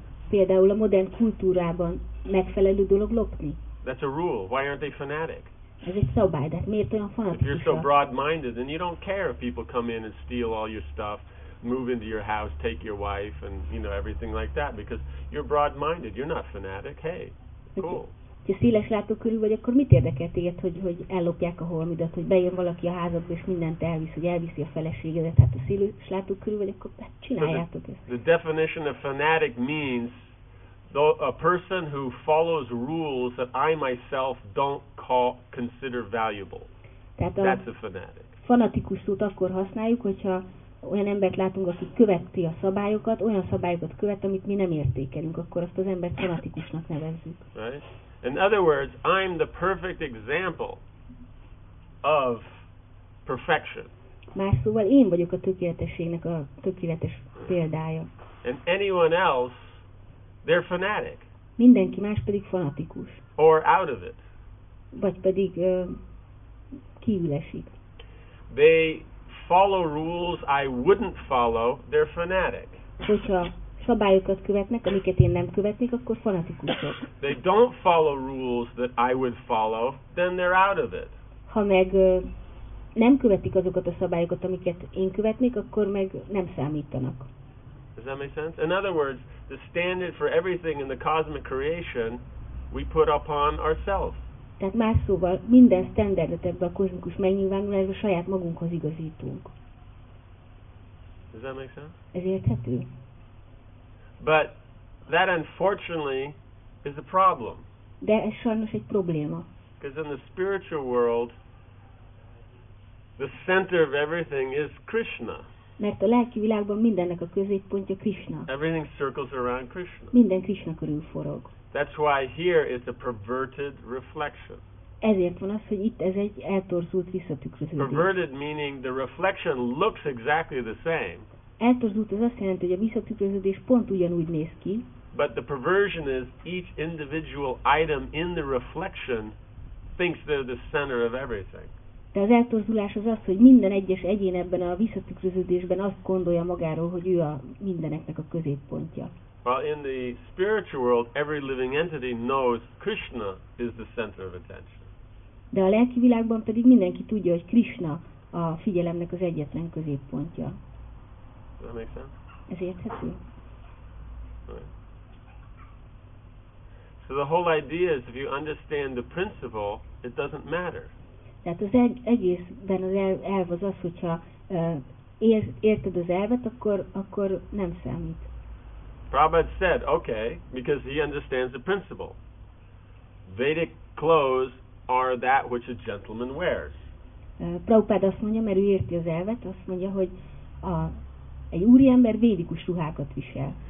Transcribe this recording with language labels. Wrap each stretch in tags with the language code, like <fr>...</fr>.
<hu>Például a modern kultúrában megfelelő dolog lopni?</hu> <en>That's a rule. Why aren't they fanatic?</en> <hu>Ez egy szabály, de miért olyan fanatikusak?</hu> <en>If you're so broad-minded, then you don't care if people come in and steal all your stuff, move into your house, take your wife, and you know everything like that, because you're broad-minded. You're not fanatic. Hey, cool.</en> <hu>Ha széles látókörű vagy, akkor mit érdekel téged, hogy ellopják a holmidat, hogy bejön valaki a házadba és mindent elvisz, hogy elviszi a feleségedet? Hát a széles látókörű vagy, akkor csináljátok ezt.</hu> <en>The definition of fanatic means a person who follows rules that I myself don't consider valuable. That's a fanatic.</en> <hu>Fanatikus szót akkor használjuk, hogyha olyan embert látunk, aki követi a szabályokat, olyan szabályokat követ, amit mi nem értékelünk, akkor azt az embert fanatikusnak nevezzük.</hu> <en>Right? In other words, I'm the perfect example of perfection.</en> <hu>Más szóval én vagyok a tökéletességnek a tökéletes példája.</hu> <en>And anyone else, they're fanatic.</en> <hu>Mindenki más pedig fanatikus.</hu> <en>Or out of it.</en> <hu>Vagy pedig kívül esik.</hu> <en>They follow rules I wouldn't follow. They're fanatic.</en> <hu>Hogyha szabályokat követnek, amiket én nem követnék, akkor fanatikusok.</hu> <en>They don't follow rules that I would follow. Then they're out of it.</en> <hu>Ha meg nem követik azokat a szabályokat, amiket én követnék, akkor meg nem számítanak.</hu> <en>Does that make sense? In other words, the standard for everything in the cosmic creation we put upon ourselves.</en> <hu>Tehát más szóval minden standardet ebbe a kozmikus megnyilvánulásba saját magunkhoz igazítunk.</hu> <en>Does that make sense?</en> <hu>Ez érthető?</hu> <en>But that unfortunately is a problem.</en> <hu>De ez sajnos egy probléma.</hu> <en>Because in the spiritual world, the center of everything is Krishna.</en> <hu>Mert a lelki világban mindennek a középpontja Krishna.</hu> <en>Everything circles around Krishna.</en> <hu>Minden Krishna körül forog.</hu> <en>That's why here is a perverted reflection.</en> <hu>Ezért van az, hogy itt ez egy eltorzult visszatükröződés.</hu> <en>Perverted meaning the reflection looks exactly the same.</en> <hu>Eltorzult az azt jelenti, hogy a visszatükröződés pont ugyanúgy néz ki.</hu> <en>But the perversion is each individual item in the reflection thinks they're the center of everything.</en> <hu>De az eltorzulás az az, hogy minden egyes egyén ebben a visszatükröződésben azt gondolja magáról, hogy ő a mindeneknek a középpontja.</hu> <en>Well, in the spiritual world, every living entity knows Krishna is the center of attention.</en> <hu>De a lelki világban pedig mindenki tudja, hogy Krishna a figyelemnek az egyetlen középpontja.</hu> <en>Does that make sense?</en> <hu>Ez érthető?</hu> <en>Right. So the whole idea is, if you understand the principle, it doesn't matter.</en> <hu>Tehát az egészben az elv az az, hogyha érted az elvet, akkor nem számít.</hu> <en>Prabhupada said, okay, because he understands the principle. Vedic clothes are that which a gentleman wears.</en> <hu>Prabhupada azt mondja, mert ő érti az elvet, azt mondja, hogy egy úriember védikus ruhákat visel.</hu>